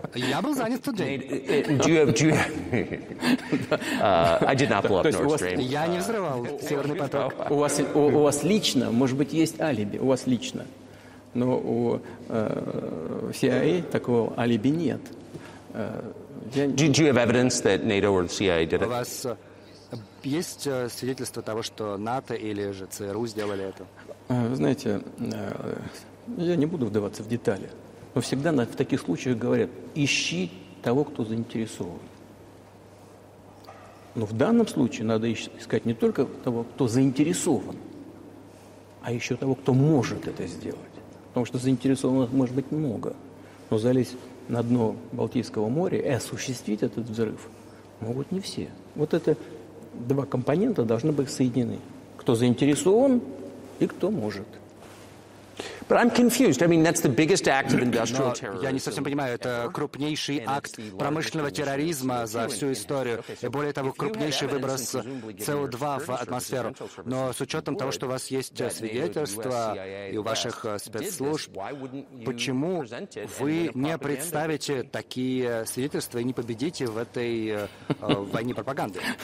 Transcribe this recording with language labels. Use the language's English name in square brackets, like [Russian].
[Russian] Я был занят тот день. [English] I did not blow up Nord Stream. [Russian] Я не взрывал Северный поток. У вас лично, может быть, есть алиби, у вас лично. Но у CIA такого алиби нет. [English] Do you have evidence that NATO or CIA did it? [Russian] У вас есть свидетельство того, что НАТО или же ЦРУ сделали это? Вы знаете, я не буду вдаваться в детали. Но всегда в таких случаях говорят, ищи того, кто заинтересован. Но в данном случае надо искать не только того, кто заинтересован, а еще того, кто может это сделать. Потому что заинтересованных может быть много. Но залезть на дно Балтийского моря и осуществить этот взрыв могут не все. Вот это два компонента должны быть соединены. Кто заинтересован и кто может. [English] But I'm confused. I mean, that's the biggest act of industrial terrorism. [Russian] Я не совсем понимаю. Это крупнейший акт промышленного терроризма за всю историю. И более того, крупнейший выброс СО2 в атмосферу. Но с учетом того, что у вас есть свидетельства и у ваших спецслужб, почему вы не представите такие свидетельства и не победите в этой войне пропаганды?